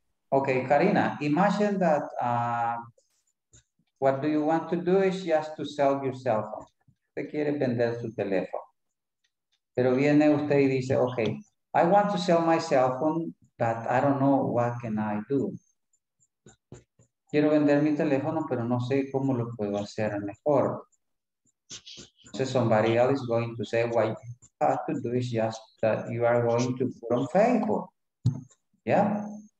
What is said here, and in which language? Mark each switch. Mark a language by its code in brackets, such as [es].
[en] Okay, Karina, imagine that what do you want to do is just to sell your cell phone. [es] ¿Te quiere vender su teléfono? Pero viene usted y dice, [en] okay, I want to sell my cell phone, but I don't know what can I do. [es] Quiero vender mi teléfono, pero no sé cómo lo puedo hacer mejor. [en] So somebody else is going to say, what you have to do is just that you are going to put on Facebook. Yeah?